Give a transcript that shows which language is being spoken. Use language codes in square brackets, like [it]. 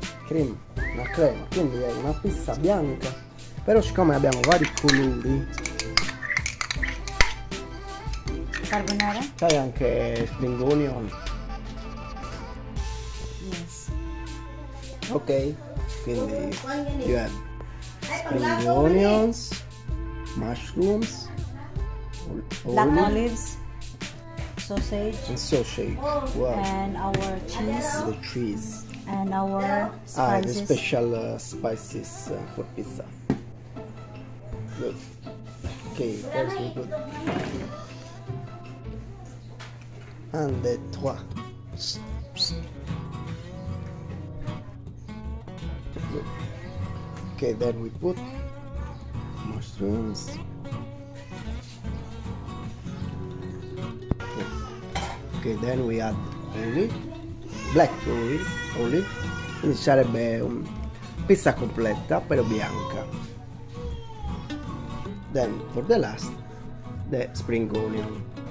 [it] Cream, una crema, quindi è una pizza bianca. Però siccome abbiamo vari colori. Carbonara? C'hai anche spring onion. [en] Yes. Ok, [it] quindi [en] you have spring onions, mushrooms, black olives. Sausage. And sausage. Wow. And our cheese. The cheese. And our spices. Ah, the special spices for pizza. Good. Okay, that's very good. [fr] Un, deux, trois. [en] Good. Okay, then we put mushrooms. Okay, then we add olive, black olive, [it] quindi sarebbe una pizza completa, però bianca. [en] Then, for the last, the spring onion.